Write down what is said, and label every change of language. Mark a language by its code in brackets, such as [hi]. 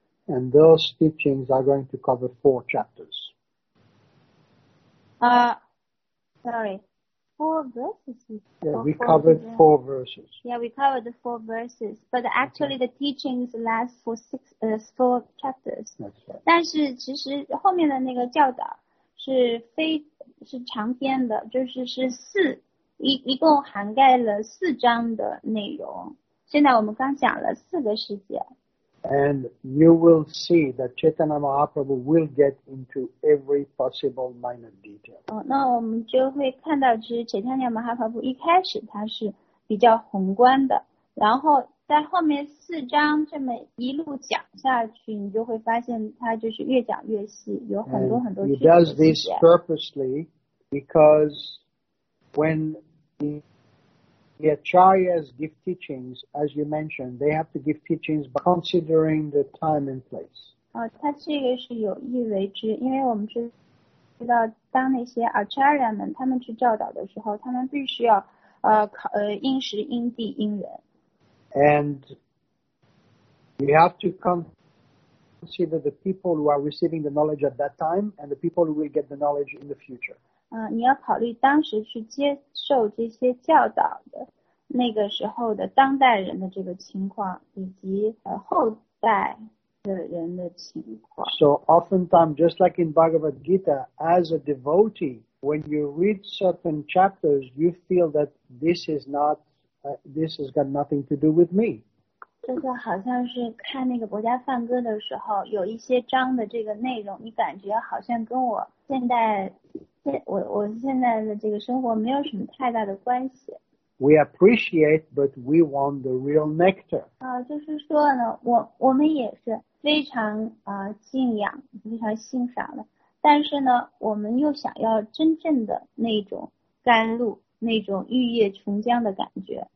[en] And those teachings are going to cover four chapters. Four verses. Yeah, we covered four verses. Yeah, we covered the four verses, but actually the teachings last for four chapters. That's right. [zh] 但是其实后面的那个教导是长篇的，就是是四一共涵盖了四章的内容。现在我们刚讲了四个世界。 [en] And you will see that Chaitanya Mahaprabhu will get into every possible minor detail. [zh] 那我们就会看到，其实 Chaitanya Mahaprabhu 一开始他是比较宏观的，然后在后面四章这么一路讲下去，你就会发现他就是越讲越细，有很多很多具体的细节。 [en] He does this purposely because when the acharyas give teachings, as you mentioned, they have to give teachings by considering the time and place. [zh] 他这个是有意为之，因为我们知道，当那些 acharya 们他们去教导的时候，他们必须要因时因地因人。 [en] And you have to consider the people who are receiving the knowledge at that time and the people who will get the knowledge in the future. [zh] 你要考虑当时去接受这些教导的那个时候的当代人的这个情况，以及后代的人的情况。 [en] So oftentimes, just like in Bhagavad Gita, as a devotee, when you read certain chapters, you feel that this has got nothing to do with me. [zh] 就是好像是看那个博家梵歌的时候，有一些章的这个内容，你感觉好像跟我现在。我现在的这个生活没有什么太大的关系。 [en] We appreciate, but we want the real nectar. [zh] 就是说呢，我们也是非常敬仰，非常欣赏的。但是呢，我们又想要真正的那种甘露，那种玉液琼浆的感觉。